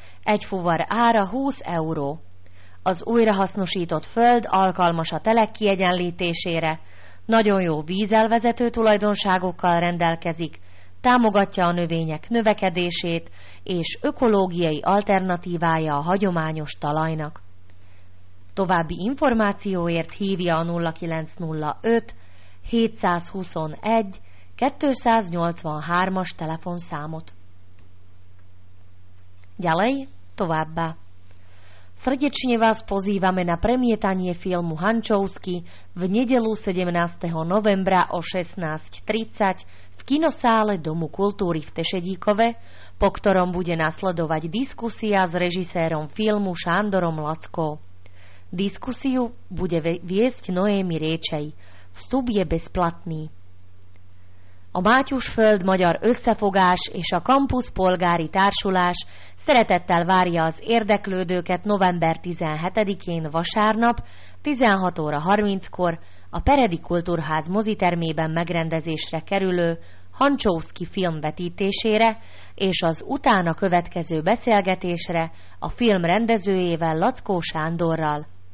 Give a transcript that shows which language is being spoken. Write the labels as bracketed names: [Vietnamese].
[Hungarian] Egy fuvar ára 20 euró. Az újrahasznosított föld alkalmas a telek kiegyenlítésére, nagyon jó vízelvezető tulajdonságokkal rendelkezik, támogatja a növények növekedését, és ökológiai alternatívája a hagyományos talajnak. További információért hívja a 0905 721 283-as telefonszámot. [Slovak] Ďalej, [Hungarian] továbbá. [Slovak] Srdečne vás pozývame na premietanie filmu Hančovský v nedeľu 17. novembra o 16.30 v kinosále Domu kultúry v Tešedíkove, po ktorom bude nasledovať diskusia s režisérom filmu Šándorom Lacko. Diskusiu bude viesť Noémi Riečej. Vstup je bezplatný. [Hungarian] A Mátyúsföld Magyar Összefogás és a Campus Polgári Társulás szeretettel várja az érdeklődőket november 17-én vasárnap 16 óra 30-kor a Peredi Kultúrház mozitermében megrendezésre kerülő Hančovský film vetítésére és az utána következő beszélgetésre a film rendezőjével Lackó Sándorral.